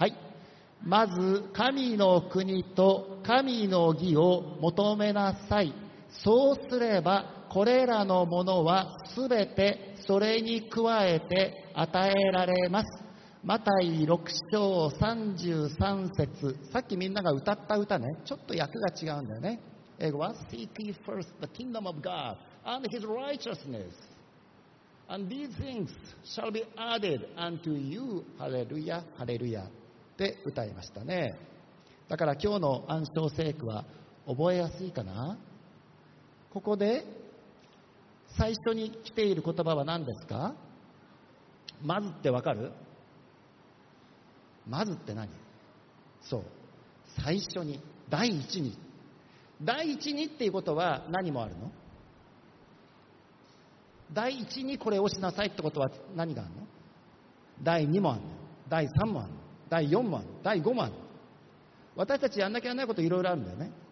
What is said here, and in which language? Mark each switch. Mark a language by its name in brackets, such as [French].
[Japanese] はい、まず神の国と神の義を求めなさい、そうすればこれらのものはすべてそれに加えて与えられます。マタイ6章33節、さっきみんなが歌った歌ね、ちょっと訳が違うんだよね。英語は [English] Seek ye first the kingdom of God and his righteousness and these things shall be added unto you. [Japanese] ハレルヤハレルヤで歌いましたね。だから今日の暗唱聖句は覚えやすいかな。ここで最初に来ている言葉は何ですか。まずってわかる、まずって何、そう最初に、第一に、第一にっていうことは何もあるの、第一にこれをしなさいってことは何があるの、第二もあるの、第三もあるの、第4問、第5問、私たちやんなきゃいけないこといろいろあるんだよね。